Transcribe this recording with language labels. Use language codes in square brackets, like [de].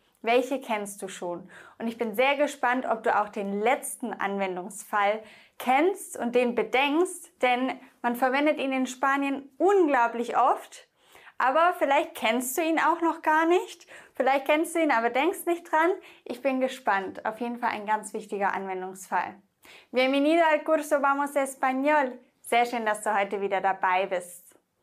[de] Welche kennst du schon? Und ich bin sehr gespannt, ob du auch den letzten Anwendungsfall kennst und den bedenkst, denn man verwendet ihn in Spanien unglaublich oft, aber vielleicht kennst du ihn auch noch gar nicht. Vielleicht kennst du ihn, aber denkst nicht dran. Ich bin gespannt. Auf jeden Fall ein ganz wichtiger Anwendungsfall. [es] Bienvenido al curso Vamos Español. [de] Sehr schön, dass du heute wieder dabei bist.